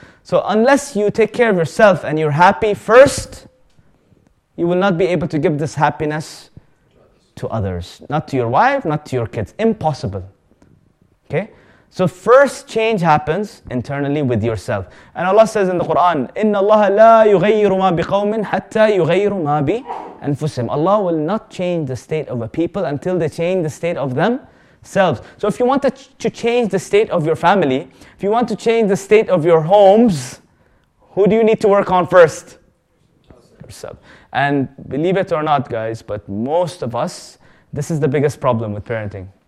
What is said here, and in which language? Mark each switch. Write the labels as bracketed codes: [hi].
[en] So unless you take care of yourself and you're happy first, you will not be able to give this happiness to others. Not to your wife, not to your kids. Impossible. Okay? So first change happens internally with yourself. And Allah says in the Quran, [ar] إِنَّ اللَّهَ لَا يُغَيِّرُ مَا بِقَوْمٍ حَتَّى يُغَيِّرُ مَا بِأَنفُسِهِمْ. [en] Allah will not change the state of a people until they change the state of themselves. So if you want to change the state of your family, if you want to change the state of your homes, who do you need to work on first? Yourself. And believe it or not, guys, but most of us, this is the biggest problem with parenting.